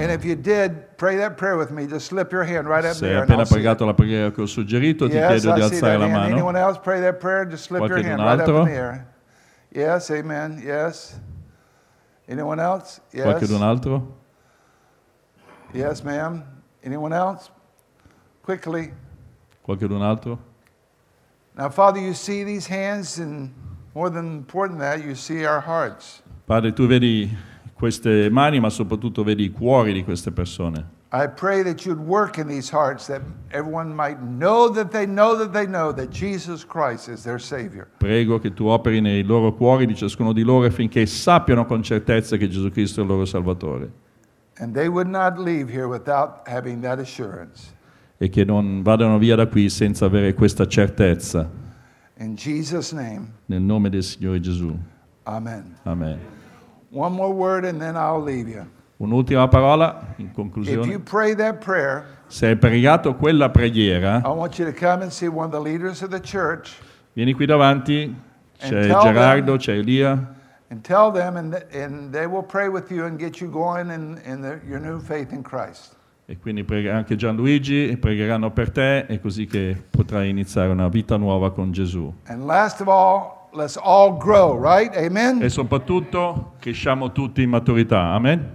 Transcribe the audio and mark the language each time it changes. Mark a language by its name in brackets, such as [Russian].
[English] And if you did pray that prayer with me, just slip your hand right up there. [Italian] Se hai appena pregato la preghiera che ho suggerito, ti chiedo di alzare la mano. [English] Anyone else pray that prayer? Just slip your hand right up in the air. Yes, amen. Yes. Anyone else? Yes. [Italian] Qualcun altro? [English] Yes, ma'am. Anyone else? Quickly. [Italian] Qualcun altro? [English] Now, Father, you see these hands and more than important than that, you see our hearts. [Italian] Padre, tu vedi queste mani, ma soprattutto vedi i cuori di queste persone. [English] I pray that you'd work in these hearts, that everyone might know that they know that they know that Jesus Christ is their Savior. [Italian] Prego che tu operi nei loro cuori di ciascuno di loro affinché sappiano con certezza che Gesù Cristo è il loro Salvatore. [English] And they would not leave here without having that assurance. [Italian] E che non vadano via da qui senza avere questa certezza. [English] In Jesus' name. [Italian] Nel nome del Signore Gesù. [English] Amen. [Italian] Amen. [English] One more word and then I'll leave you. [Italian] Un'ultima parola in conclusione. [English] If you pray that prayer, [Italian] se hai pregato quella preghiera, [English] I want you to come and see one of the leaders of the church. [Italian] Vieni qui davanti, c'è Gerardo, c'è Elia. [English] And tell them, and they will pray with you and get you going in your new faith in Christ. [Italian] E quindi anche Gianluigi pregheranno per te, e così che potrai iniziare una vita nuova con Gesù. [English] And last of all, let's all grow, right? [Italian] Amen. E soprattutto cresciamo tutti in maturità. Amen.